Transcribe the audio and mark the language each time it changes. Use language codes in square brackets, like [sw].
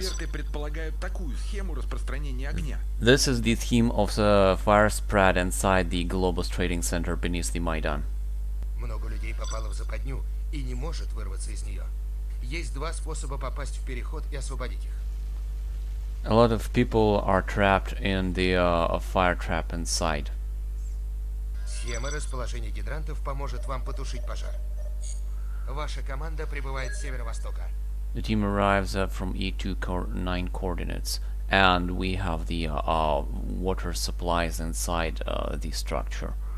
[ru] Эксперты предполагают такую схему распространения огня. [en] This is the theme of the fire spread inside the Globus Trading Center beneath the Maidan. [ru] Много людей попало в западню и не может вырваться из нее. Есть два способа попасть в переход и освободить их. [en] A lot of people are trapped in the fire trap inside. [ru] Схема расположения гидрантов поможет вам потушить пожар. Ваша команда прибывает с северо-востока. [en] The team arrives from E29 coordinates, and we have the water supplies inside the structure.